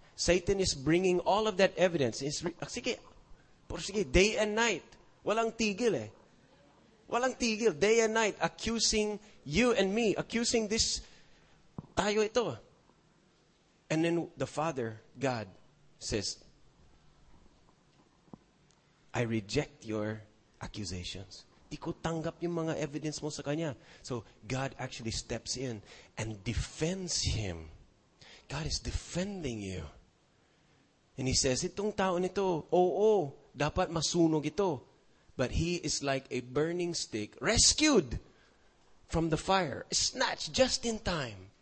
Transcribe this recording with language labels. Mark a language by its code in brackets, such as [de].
[en] Satan is bringing all of that evidence. Sige, day and night. [tl] Walang tigil eh. Walang tigil. [en] Day and night, accusing you and me. Accusing this, [tl] tayo ito. [en] And then the Father, God, says, I reject your accusations. [tl] Di ko tanggap yung mga evidence mo sa kanya. [en] So God actually steps in and defends him. God is defending you. And he says, [tl] itong tao nito, oo, dapat masunog ito. [en] But he is like a burning stick, rescued from the fire, snatched just in time.